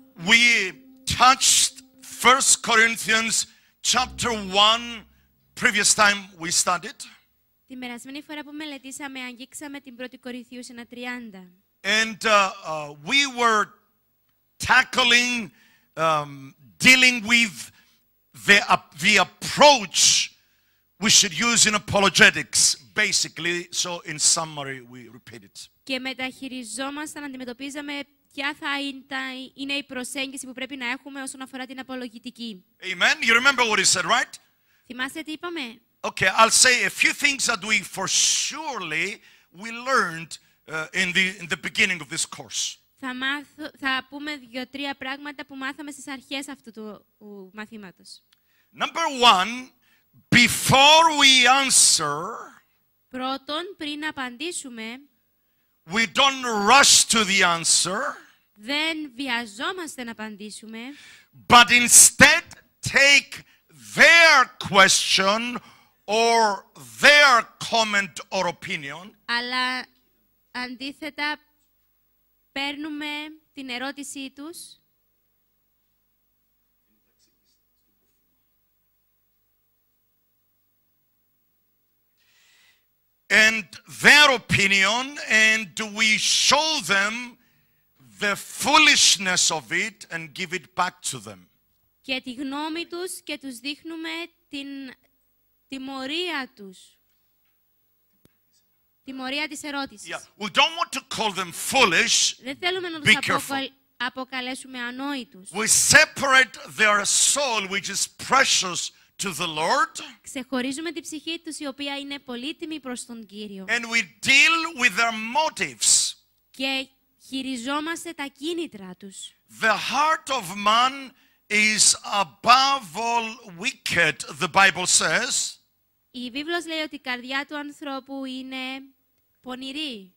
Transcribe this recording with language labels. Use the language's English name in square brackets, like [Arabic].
[English] We touched 1 Corinthians chapter 1 previous time we studied. [Greek] Την περασμένη φορά που μελετήσαμε, αγγίξαμε την 1η Κορινθίους 1:30. [English] And we were tackling, dealing with the approach we should use in apologetics, basically. So, in summary, we repeat it. [Greek] Και μεταχειριζόμασταν, αντιμετωπίζαμε ποια θα είναι η προσέγγιση που πρέπει να έχουμε όσον αφορά την απολογητική. [English] Amen. You remember what he said, right? [Greek] Θυμάστε τι είπαμε. [English] Okay, I'll say a few things that we for surely we learned in the beginning of this course. [Greek] Θα πούμε δύο-τρία πράγματα που μάθαμε στις αρχές αυτού του μαθήματος. [English] Number one, before we answer, [Greek] πρώτον, πριν απαντήσουμε, [English] we don't rush to the answer, [Greek] δεν βιαζόμαστε να απαντήσουμε, [English] but instead take their question or their comment or opinion, [Greek] αλλά αντίθετα, παίρνουμε την ερώτησή τους. [English] And their opinion, and we show them the foolishness of it and give it back to them. [Greek] Και τη γνώμη τους και τους δείχνουμε την τιμωρία τους. Τιμωρία της ερώτησης. [English] Yeah. We don't want to call them foolish. [Greek] Δεν θέλουμε να τους αποκαλέσουμε ανόητους. [English] We separate their soul, which is precious to the Lord. [Greek] Ξεχωρίζουμε την ψυχή τους, η οποία είναι πολύτιμη προς τον Κύριο. [English] And we deal with their motives. [Greek] Και χειριζόμαστε τα κίνητρά τους. [English] The heart of man is above all wicked, the Bible says. [Greek] Η Βίβλος λέει ότι η καρδιά του ανθρώπου είναι πονηρή,